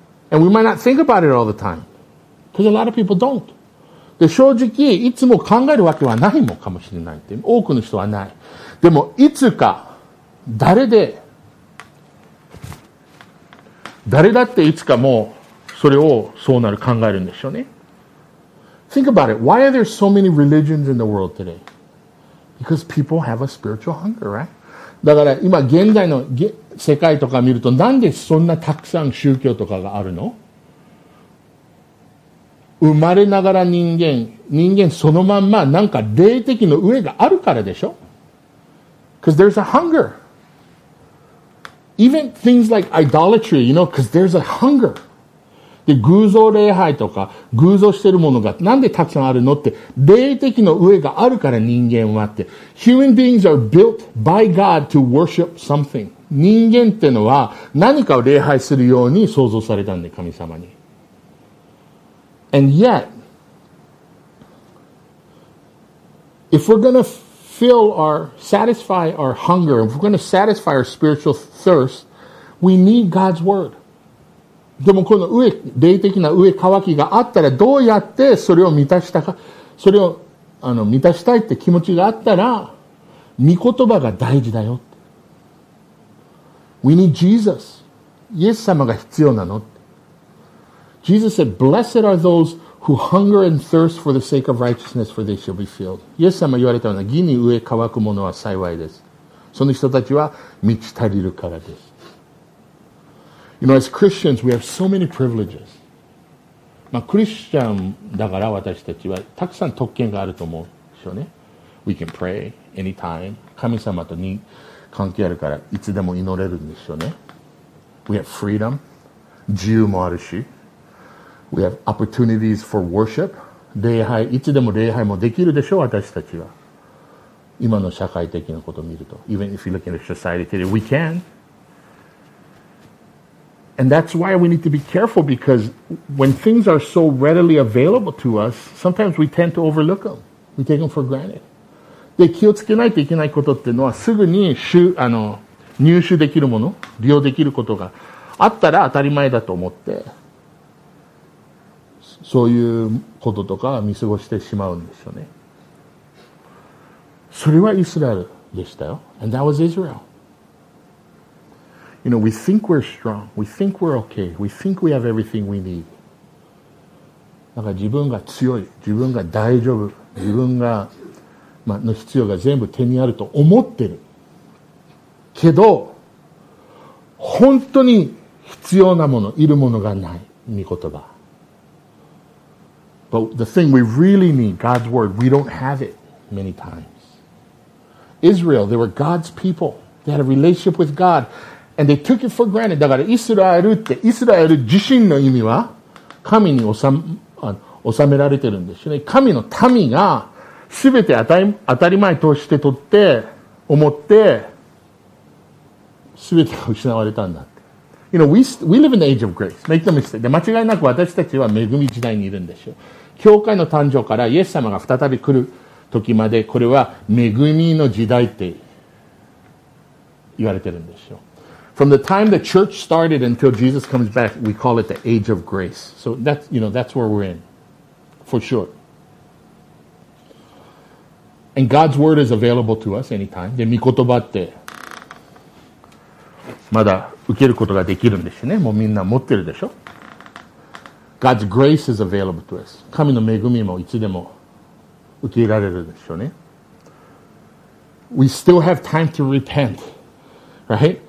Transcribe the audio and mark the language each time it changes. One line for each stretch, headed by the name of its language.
English: And we might not think about it all the time. Because a lot of people don't.
Japanese: で、正直、いつも考えるわけはないもんかもしれないって。多くの人はない。でも、いつか、誰だっていつかもう、それをそうなる考えるんでしょうね。
English: Think about it. Why are there so many religions in the world today? Because people have a spiritual hunger, right?
Japanese: だから今現在の世界とか見ると、なんでそんなたくさん宗教とかがあるの？生まれながら人間そのまんまなんか霊的の飢えがあるからでしょ？
English: Because there's a hunger. Even things like idolatry, you know, because there's a hunger.
Japanese: で、偶像礼拝とか、偶像してるものがなんでたくさんあるのって、霊的の上があるから人間はって。
English: Human beings are built by God to worship something.
Japanese: 人間ってのは何かを礼拝するように創造されたんで、神様に。
English: And yet, if we're gonna fill our, satisfy our hunger, if we're gonna satisfy our spiritual thirst, we need God's word.
Japanese: でもこの上、霊的な上渇きがあったらどうやってそれを満たしたか、それを満たしたいって気持ちがあったら、御言葉が大事だよって。
English: We need Jesus.
Japanese: イエス様が必要なのって。
English: Jesus said, blessed are those who hunger and thirst for the sake of righteousness, for they shall be filled.
Japanese: イエス様言われたような、義に飢え渇く者は幸いです。その人たちは満ち足りるからです。
English: You know, as Christians, we have so many privileges.
Japanese: まあ、クリスチャンだから私たちはたくさん特権があると思うでしょうね。
English: We can pray anytime.
Japanese: 神様とに関係あるからいつでも祈れるんでしょうね。
English: We have freedom.
Japanese: 自由もあるし。
English: We have opportunities for worship.
Japanese: 礼拝、いつでも礼拝もできるでしょう、私たちは。今の社会的なことを見ると。
English: Even if you look at society today, we can. And that's why we need to be careful because when things are so readily available to us, sometimes we tend to overlook them. We take them for granted.
Japanese: で、気をつけないといけないことっていうのは、すぐに入手できるもの、利用できることがあったら当たり前だと思って、そういうこととか見過ごしてしまうんですよね。それはイスラエルでしたよ。
English: And that was Israel. You know, we think we're strong. We think we're okay. We think we have everything we need.
Japanese: なんか自分が強い、自分が大丈夫、自分が、ま、の必要が全部手にあると思ってる。けど、本当に必要なもの、いるものがない。御言葉。
English: But the thing we really need, God's word, we don't have it many times. Israel, they were God's people. They had a relationship with God. And they took it for granted.
Japanese: だからイスラエルって、イスラエル自身の意味は神に収められてるんですよね。神の民が全て当たり前としてとって、思って、全てが失われたんだって。
English: You know, we live in the age of grace. Make no mistake.
Japanese: で、間違いなく私たちは恵み時代にいるんですよ。教会の誕生からイエス様が再び来る時まで、これは恵みの時代って言われてるんですよ。
English: From the time the church started until Jesus comes back, we call it the age of grace. So that's, you know, that's where we're in. For sure. And God's word is available to us anytime.
Japanese: で、御言葉ってまだ受けることができるんですよね。もうみんな持ってるでしょ。
English: God's grace is available to us.
Japanese: 神の恵みもいつでも受け入れられるでしょうね。
English: We still have time to repent. Right?